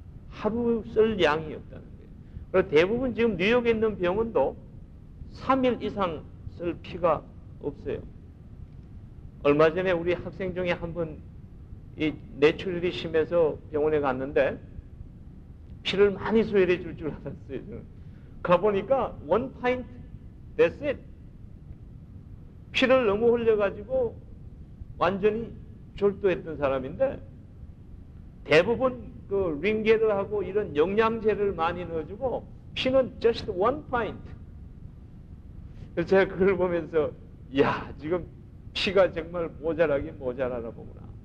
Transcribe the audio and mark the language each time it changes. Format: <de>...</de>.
<ko>하루 쓸 양이 없다는 거예요. 그리고 대부분 지금 뉴욕에 있는 병원도 3일 이상 쓸 피가 없어요. 얼마 전에 우리 학생 중에 한 분 뇌출혈이 심해서 병원에 갔는데 피를 많이 소열해 줄 줄 알았어요. 가보니까</ko> <en>one pint, that's it.</en> <ko>피를 너무 흘려가지고 완전히 졸도했던 사람인데 대부분 그 링겔을 하고 이런 영양제를 많이 넣어주고 피는</ko> <en>just one pint.</en> <ko>그래서 제가 그걸 보면서 야 지금 피가 정말 모자라긴 모자라나 보구나.</ko>